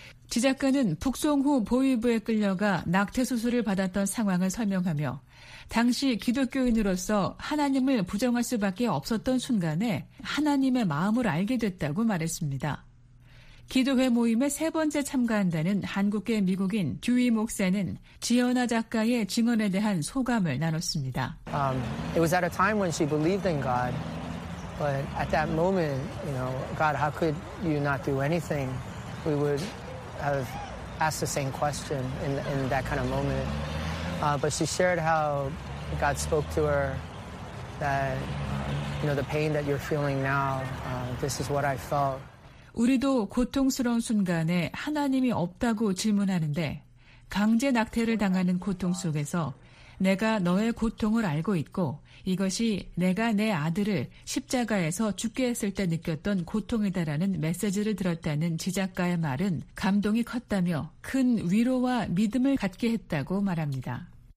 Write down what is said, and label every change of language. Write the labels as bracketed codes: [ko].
[ko] 지 작가는 북송 후 보위부에 끌려가 낙태 수술을 받았던 상황을 설명하며 당시 기독교인으로서 하나님을 부정할 수밖에 없었던 순간에 하나님의 마음을 알게 됐다고 말했습니다. 기도회 모임에 세 번째 참가한다는 한국계 미국인 듀이 목사는 지현아 작가의 증언에 대한 소감을 나눴습니다. [en] It was at a time when she believed in God, but at that moment, you know, God, how could you not do anything? We would have asked the same question in that kind of moment. But she shared how God spoke to her that, you know, the pain that you're feeling now, this is what I felt. [ko] 우리도 고통스러운 순간에 하나님이 없다고 질문하는데 강제 낙태를 당하는 고통 속에서 내가 너의 고통을 알고 있고 이것이 내가 내 아들을 십자가에서 죽게 했을 때 느꼈던 고통이다라는 메시지를 들었다는 지작가의 말은 감동이 컸다며 큰 위로와 믿음을 갖게 했다고 말합니다.